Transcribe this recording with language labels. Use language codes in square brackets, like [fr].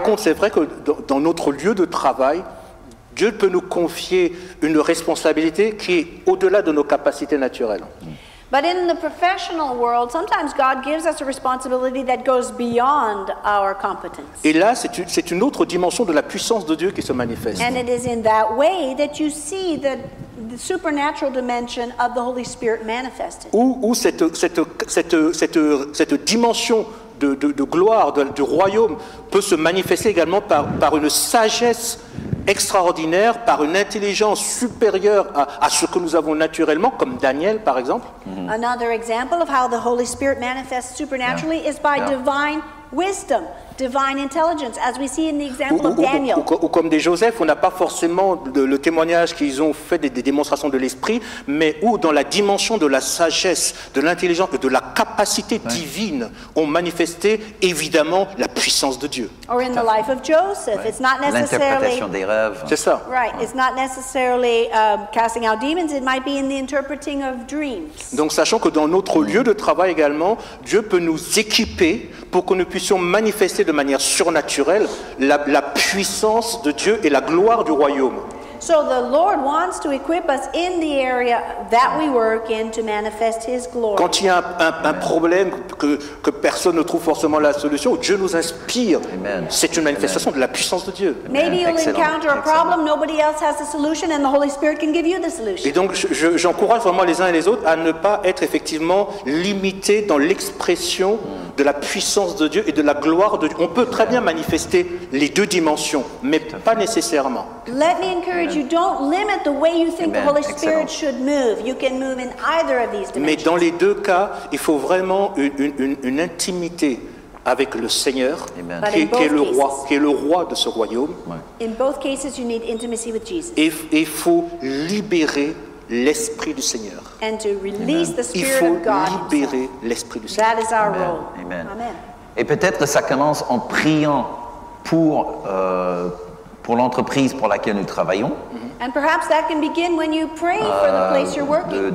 [fr] Par contre, c'est vrai que dans notre lieu de travail, Dieu peut nous confier une responsabilité qui est au-delà de nos capacités naturelles. [en] But in the professional world, sometimes God gives us a responsibility that goes beyond our competence. [fr] Et là, c'est une autre dimension de la puissance de Dieu qui se manifeste. [en] And it is in that way that you see the supernatural dimension of the Holy Spirit manifested. [fr] Ou cette dimension de gloire du royaume peut se manifester également par une sagesse extraordinaire, par une intelligence supérieure à ce que nous avons naturellement, comme Daniel par exemple. [en] Another example of how the Holy Spirit manifests supernaturally is by divine wisdom. divine intelligence, as we see in the example of Daniel. [fr] Ou comme des Joseph, on n'a pas forcément le témoignage qu'ils ont fait des démonstrations de l'esprit, mais où dans la dimension de la sagesse, de l'intelligence et de la capacité divine ont manifesté évidemment la puissance de Dieu. [en] Or in the life of Joseph, it's not necessarily [fr] l'interprétation des rêves. C'est ça. [en] Right, it's not necessarily casting out demons. It might be in the interpreting of dreams. [fr] Donc sachant que dans notre lieu de travail également, Dieu peut nous équiper pour que nous puissions manifester de manière surnaturelle la puissance de Dieu et la gloire du royaume. [en] So the Lord wants to equip us in the area that we work in to manifest His glory. [fr] Quand il y a un problème que personne ne trouve forcément la solution, Dieu nous inspire. Amen. C'est une manifestation de la puissance de Dieu. Amen. [en] Maybe you'll encounter a problem, nobody else has the solution, and the Holy Spirit can give you the solution. [fr] Et donc, j'encourage vraiment les uns et les autres à ne pas être effectivement limités dans l'expression de la puissance de Dieu et de la gloire de Dieu. On peut très bien manifester les deux dimensions, mais pas nécessairement. [en] Let me encourage you, don't limit the way you think the Holy Spirit should move. You can move in either of these dimensions. [fr] Mais dans les deux cas, il faut vraiment une intimité avec le Seigneur, qui est le roi de ce royaume. Ouais. [en] In both cases, you need intimacy with Jesus. [fr] Et il faut libérer l'Esprit du Seigneur. [en] And to release the Spirit [fr] il faut [en] of God [fr] libérer [en] himself. [fr] L'Esprit du Seigneur. [en] That is our role. Amen. [fr] Et peut-être que ça commence en priant pour l'entreprise pour laquelle nous travaillons. [en] And perhaps that can begin when you pray for the place you're working.